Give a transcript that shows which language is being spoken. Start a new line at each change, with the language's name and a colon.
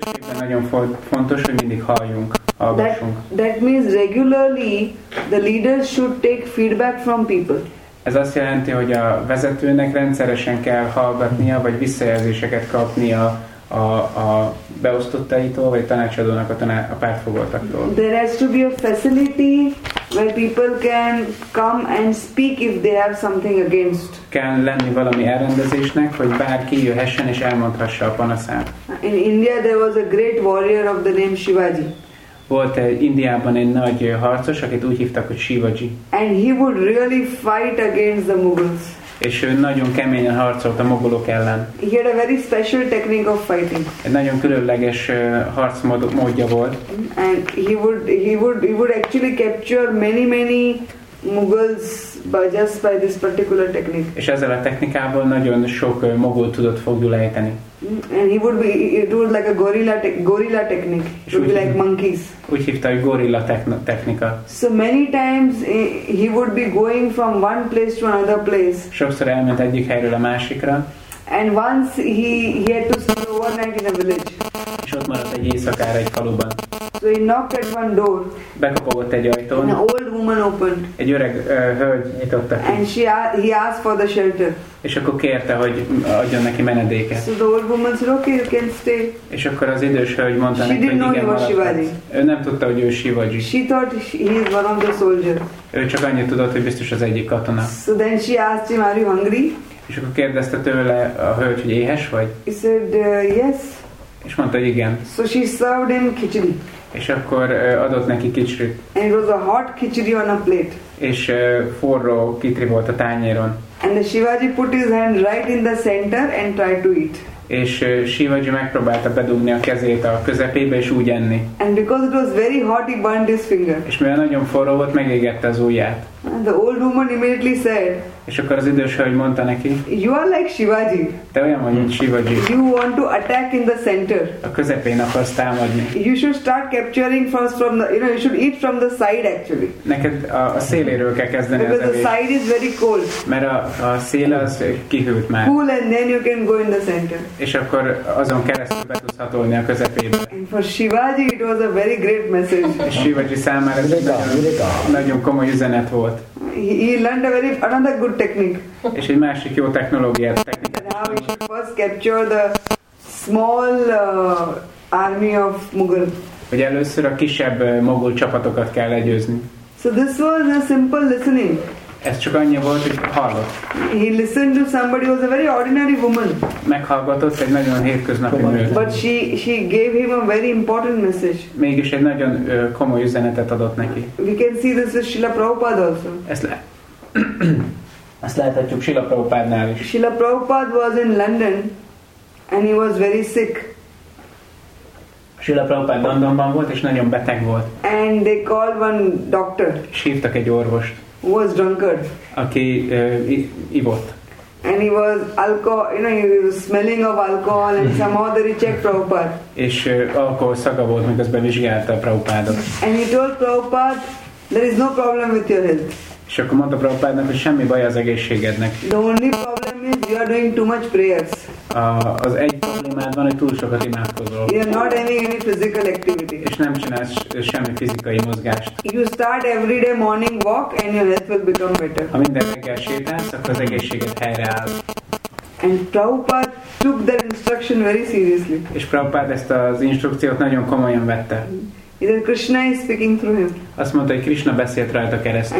Hungarian: Ez nagyon fontos, hogy mindig halljunk, hallgassunk.
English: That means regularly the leaders should take feedback from people.
Hungarian: Ez azt jelenti, hogy a vezetőnek rendszeresen kell hallgatnia, vagy visszajelzéseket kapnia a beosztottaitól, vagy tanácsadónak a pártfogoltaktól.
English: There has to be a facility where people can come and speak if they have something against.
Hungarian: Kell lenni valami elrendezésnek, hogy bárki jöhessen és elmondhassa a panaszát.
English: In India there was a great warrior of the name Shivaji.
Hungarian: Volt Indiában egy nagy harcos, akit úgy hívtak, hogy Shivaji.
English: And he would really fight against the Mughals.
Hungarian: És ő nagyon keményen harcolt a mogulok ellen.
English: He had a very special technique of fighting.
Hungarian: Egy nagyon különleges harc módja volt.
English: And he would actually capture many Mughals by this particular technique.
Hungarian: És ezzel a technikával nagyon sok mogul tudott foglyul ejteni.
English: And it would like a gorilla technique. It would be like monkeys.
Hungarian: Úgy hívta, hogy gorilla technika.
English: So many times he would be going from one place to another place.
Hungarian: Sokszor elment egyik helyről a másikra.
English: And once he had to stay overnight in a village.
Hungarian: És ott maradt egy éjszakára egy faluban.
English: So he knocked at one door.
Hungarian: Bekapogott egy ajtón.
English: An old woman opened.
Hungarian: Egy öreg hölgy nyitotta ki.
English: And he asked for the shelter.
Hungarian: És akkor kérte, hogy adjon neki menedéket.
English: So the old woman said, okay, you can stay.
Hungarian: És akkor az idős hölgy mondta neki, hogy igen, maradhatsz. Ő nem tudta, hogy ő Shivaji.
English: She thought he is one of the soldiers.
Hungarian: Ő csak annyit tudott, hogy biztos az egyik katona.
English: So then she asked him, are you hungry?
Hungarian: És akkor kérdezte tőle a hölgy, hogy éhes vagy?
English: He said, yes.
Hungarian: És mondta, hogy igen.
English: So she served him khichdi.
Hungarian: És akkor adott neki kicsit.
English: And it was a hot khichdi on a plate.
Hungarian: És forró kicsi volt a tányéron.
English: And the Shivaji put his hand right in the center and tried to eat.
Hungarian: És Shivaji megpróbálta bedugni a kezét a közepébe és úgy enni.
English: And because it was very hot, he burned his finger.
Hungarian: És mivel nagyon forró volt, megégette az ujját.
English: And the old woman immediately said.
Hungarian: És akkor az idős hölgy mondta neki.
English: You are like Shivaji.
Hungarian: Te olyan vagy, mint Shivaji.
English: You want to attack in the center.
Hungarian: A közepén akarsz támadni.
English: You should start capturing first from the, you know, you should eat from the side actually.
Hungarian: Neked a széléről kell kezdeni az evés.
English: Because the side is very cold.
Hungarian: Mert a szél az kihűlt már.
English: Cool and then you can go in the center.
Hungarian: És akkor azon keresztül be tudsz hatolni a közepébe.
English: And for Shivaji it was a very great message.
Hungarian: Shivaji számára ez nagyon komoly üzenet volt.
English: He learned a very another good technique.
Hungarian: És egy másik jó technológiát.
English: Now he should first capture the small army of Mughal.
Hungarian: Hogy először a kisebb mogul csapatokat kell legyőzni.
English: So this was a simple listening.
Hungarian: Ez csak annyi volt, hogy hallott.
English: He listened to somebody who was a very ordinary woman.
Hungarian: Meghallgatott egy nagyon hétköznapi nőt.
English: But she gave him a very important message.
Hungarian: Mégis egy nagyon komoly üzenetet adott neki.
English: We can see this is Srila Prabhupada also.
Hungarian: Ezt láthatjuk Srila Prabhupádnál is.
English: Srila Prabhupada was in London and he was very sick.
Hungarian: Srila Prabhupada Londonban volt és nagyon beteg volt.
English: And they called one doctor.
Hungarian: Hívtak egy orvost.
English: Was drunkard.
Hungarian: Aki ivott.
English: And he was alcohol, you know, he was smelling of alcohol and some other he checked Prabhupada.
Hungarian: És alkohol szaga volt, még azt bevizsgálta a Prabhupádot.
English: And he told Prabhupada, there is no problem with your health.
Hungarian: És akkor mondta Prabhupádnak, hogy semmi baj az egészségednek.
English: The only problem is you are doing too much prayers.
Hungarian: Az egy problémád van, hogy túl sokat imádkozol.
English: You are not having any physical activity.
Hungarian: És nem csinálsz semmi fizikai mozgást.
English: You start every day morning walk and your health will become better.
Hungarian: Ha minden reggel sétálsz, akkor az egészséged helyreáll.
English: And Prabhupada took that instruction very seriously.
Hungarian: És Prabhupád ezt az instrukciót nagyon komolyan vette.
English: Then Krishna is speaking through him.
Hungarian: Azt mondta, hogy Krishna beszélt rajta keresztül.